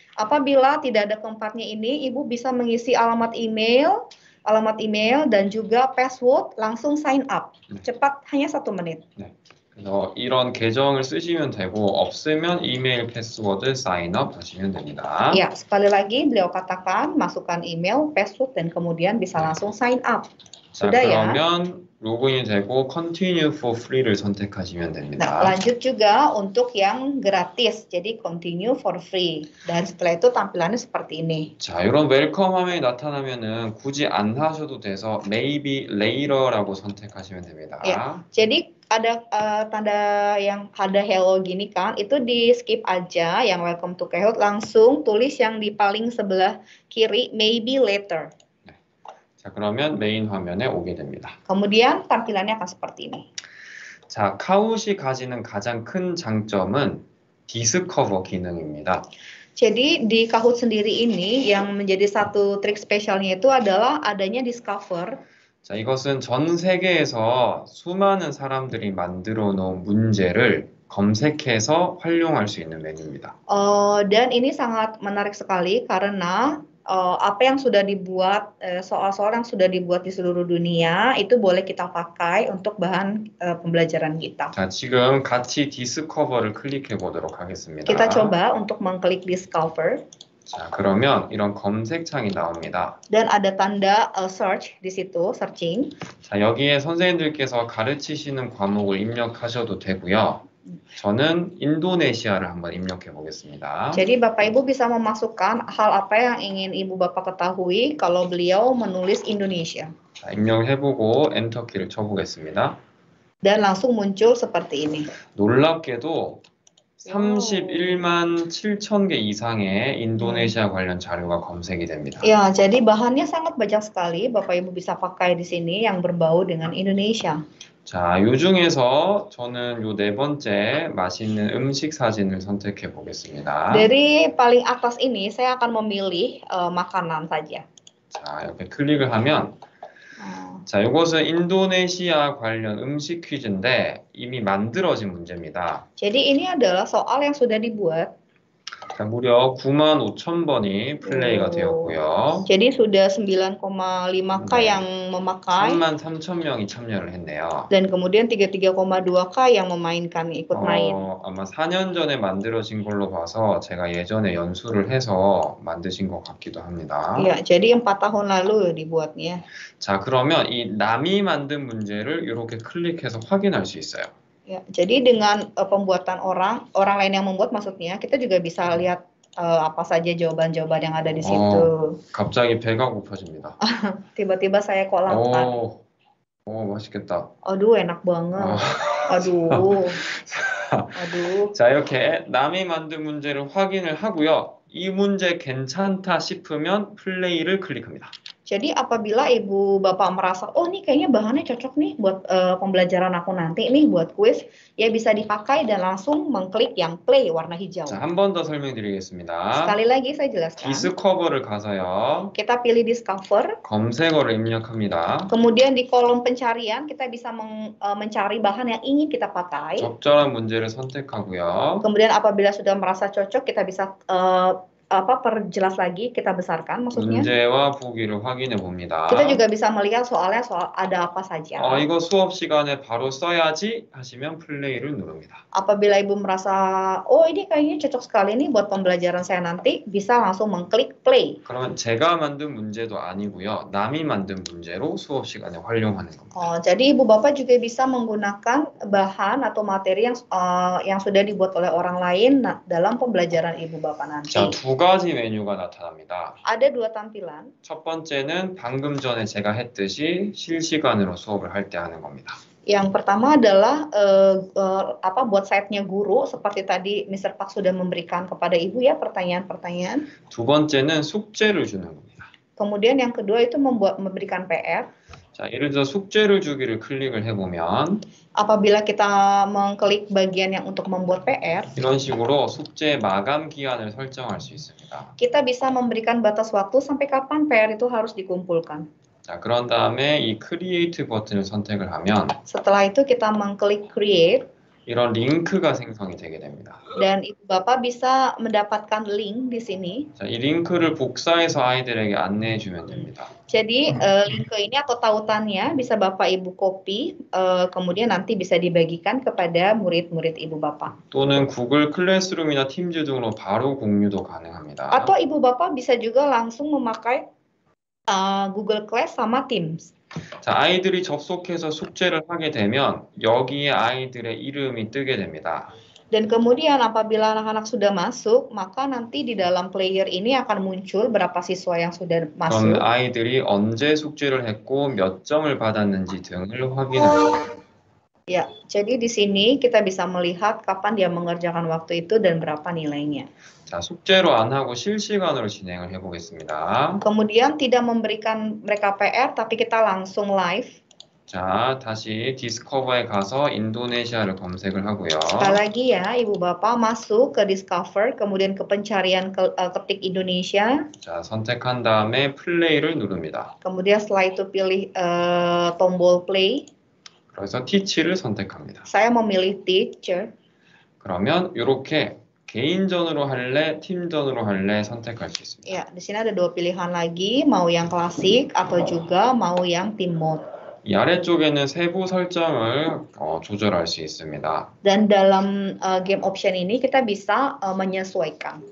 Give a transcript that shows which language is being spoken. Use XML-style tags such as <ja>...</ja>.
<id>Apabila tidak ada keempatnya ini, ibu bisa mengisi alamat email dan juga password langsung sign up. 네. Cepat hanya 1 menit. 네.</id> <ko>그래서 이런 계정을 쓰시면 되고 없으면 이메일 패스워드 사인업 하시면 됩니다.</ko> <id>야, yeah, sekali lagi beliau katakan masukkan email, password dan kemudian bisa langsung sign up.</id> <ko>자, sudah 그러면 ya? 로그인이 되고 continue for free를 선택하시면 됩니다.</ko> <id>Nah, lanjut juga untuk yang gratis. Jadi continue for free. Dan setelah itu tampilannya seperti ini.</id> <ko>자, 이런 welcome 화면이 나타나면은 굳이 안 하셔도 돼서 maybe later라고 선택하시면 됩니다.</ko> <id>Yeah. Jadi ada tanda yang ada hello gini kan, itu di skip aja yang welcome to Kahoot, langsung tulis yang di paling sebelah kiri maybe later. 네.</id> <ko>자, 그러면 메인 화면에 오게 됩니다.</ko> <id>Kemudian tampilannya akan seperti ini.</id> <ko>자, 카훗이 가지는 가장 큰 장점은 디스커버 기능입니다.</ko> <id>Jadi di Kahoot sendiri ini yang menjadi satu trik spesialnya itu adalah adanya discover.</id> <ko>자, 이것은 전 세계에서 수많은 사람들이 만들어 놓은 문제를 검색해서 활용할 수 있는 메뉴입니다.</ko> <id>Dan ini sangat menarik sekali karena apa yang sudah dibuat soal-soal yang sudah dibuat di seluruh dunia itu boleh kita pakai untuk bahan pembelajaran kita.</id> <ko>자, 지금 같이 디스커버를 클릭해 보도록 하겠습니다.</ko> <id>Kita coba untuk mengklik discover.</id> <ko>자, 그러면 이런 검색창이 나옵니다.</ko> <id>Dan ada tanda search di situ, searching.</id> <ko>자, 여기에 선생님들께서 가르치시는 과목을 입력하셔도 되고요. 저는 인도네시아를 한번 입력해 보겠습니다.</ko> <id>Jadi Bapak Ibu bisa memasukkan hal apa yang ingin Ibu Bapak ketahui kalau beliau menulis Indonesia.</id> <ko>자, 입력해 보고 엔터키를 쳐 보겠습니다.</ko> <id>Dan langsung muncul seperti ini.</id> <ko>놀랍게도 31만 7천 개 이상의 인도네시아 관련 자료가 검색이 됩니다.</ko> <id>Ya, jadi bahannya sangat banyak sekali. Bapak Ibu bisa pakai di sini yang berbau dengan Indonesia.</id> <ko>자, 요 중에서 저는 요 네 번째 맛있는 음식 사진을 선택해 보겠습니다.</ko> <id>Dari paling atas ini saya akan memilih makanan saja.</id> <ko>자, 이렇게 클릭을 하면 자, 이것은 인도네시아 관련 음식 퀴즈인데 이미 만들어진 문제입니다.</ko> <id>Jadi ini adalah soal yang sudah dibuat.</id> <ko>자, 무려 9만 5천 번이 플레이가 되었고요.</ko> <id>Jadi sudah 9,5K 네. yang memakai.</id> <ko>3만 3천 명이 참여를 했네요.</ko> <id>Dan kemudian 33,2K yang memainkan ikut main.</id> <ko>아마 4년 전에 만들어진 걸로 봐서 제가 예전에 연수를 해서 만드신 것 같기도 합니다.</ko> <id>Ya, jadi 4 tahun lalu dibuatnya.</id> <ko>자, 그러면 이 남이 만든 문제를 이렇게 클릭해서 확인할 수 있어요.</ko> <id>Ya, jadi dengan pembuatan orang, orang lain yang membuat maksudnya, kita juga bisa lihat apa saja jawaban-jawaban yang ada di situ.</id> <ko>갑자기 배가 고파집니다. 티바티바 사이에 콜라. 오, 맛있겠다.</ko> <id>아두, 애낙 방아. 아두. 아두.</id> <ko>자, 이렇게 남이 만든 문제를 확인을 하고요. 이 문제 괜찮다 싶으면 플레이를 클릭합니다.</ko> <id>Jadi apabila ibu bapak merasa, oh ini kayaknya bahannya cocok nih buat pembelajaran aku nanti, ini buat kuis, ya bisa dipakai dan langsung mengklik yang play warna hijau.</id> <ko>자, 한 번 더 설명드리겠습니다.</ko> <id>Sekali lagi saya jelaskan.</id> <ko>Discover를 가서요.</ko> <id>Kita pilih discover.</id> <ko>검색어를 입력합니다.</ko> <id>Kemudian di kolom pencarian kita bisa mencari bahan yang ingin kita pakai.</id> <ko>적절한 문제를 선택하고요.</ko> <id>Kemudian apabila sudah merasa cocok, kita bisa apa perjelas lagi, kita besarkan maksudnya.</id> <ko>문제와 보기를 확인해 봅니다.</ko> <id>Kita juga bisa melihat soalnya soal ada apa saja.</id> <ko>아, 이거 수업 시간에 바로 써야지 하시면 플레이를 누릅니다.</ko> <id>Apabila ibu merasa oh ini kayaknya cocok sekali nih buat pembelajaran saya nanti, bisa langsung mengklik play.</id> <ko>그러면 제가 만든 문제도 아니고요. 남이 만든 문제로 수업 시간에 활용하는 겁니다.</ko> <id>어, �adi ibu bapak juga bisa menggunakan bahan atau materi yang sudah dibuat oleh orang lain dalam pembelajaran ibu bapak nanti.</id> <ko>자, 두 가지 메뉴가 나타납니다.</ko> <id>Ada dua tampilan.</id> <ko>첫 번째는 방금 전에 제가 했듯이 실시간으로 수업을 할 때 하는 겁니다.</ko> <id>Yang pertama adalah apa buat site-nya guru seperti tadi Mr. Park sudah memberikan kepada ibu ya pertanyaan-pertanyaan.</id> <ko>두 번째는 숙제를 주는 겁니다.</ko> <id>Kemudian yang kedua itu memberikan PR.</id> <ko>자, 예를 들어 숙제를 주기를 클릭을 해 보면</ko> <id>apabila kita mengklik bagian yang untuk membuat PR</id> <ko>이런 식으로 숙제 마감 기한을 설정할 수 있습니다.</ko> <id>Kita bisa memberikan batas waktu sampai kapan PR itu harus dikumpulkan.</id> <ko>자, 그런 다음에 이 크리에이트 버튼을 선택을 하면</ko> <id>setelah itu kita mengklik create</id> <ko>이런 링크가 생성이 되게 됩니다.</ko> <id>Dan ibu bapak bisa mendapatkan link di sini.</id> <ko>자, 이 링크를 복사해서 아이들에게 안내해 주면 됩니다.</ko> <id>Jadi link ini atau tautannya bisa bapak ibu copy kemudian nanti bisa dibagikan kepada murid-murid ibu bapak.</id> <ko>또는 Google Classroom이나 Teams 등으로 바로 공유도 가능합니다.</ko> <id>Atau ibu bapak bisa juga langsung memakai Google Class sama Teams.</id> <ko>자, 아이들이 접속해서 숙제를 하게 되면 여기에 아이들의 이름이 뜨게 됩니다.</ko> <id>Dan kemudian apabila anak-anak sudah masuk, maka nanti di dalam player ini akan muncul berapa siswa yang sudah masuk.</id> <ko>그럼 아이들이 언제 숙제를 했고 몇 점을 받았는지 등을 확인합니다.</ko> <id>Ya, jadi di sini kita bisa melihat kapan dia mengerjakan waktu itu dan berapa nilainya.</id> <ko>자, 숙제로 안 하고 실시간으로 진행을 해보겠습니다.</ko> <id>Kemudian tidak memberikan mereka PR, tapi kita langsung live.</id> <ko>자, 다시 Discover에 가서 인도네시아를 검색을 하고요.</ko> <id>Sekali lagi ya, ibu bapak masuk ke Discover, kemudian ke pencarian ketik Indonesia.</id> <ko>자, 선택한 다음에 Play를 누릅니다.</ko> <id>Kemudian setelah itu pilih tombol Play.</id> <ko>그래서 Teach를 선택합니다.</ko> <id>Saya memilih Teacher.</id> <ko>그러면 이렇게 개인전으로 할래, 팀전으로 할래 선택할 수 있습니다.</ko> <id>Ya, di sini ada dua pilihan lagi, mau yang klasik atau juga mau yang team mode.</id> <ko>이 아래쪽에는 세부 설정을 조절할 수 있습니다.</ko> <id>Dan dalam game option ini kita bisa menyesuaikan.</id>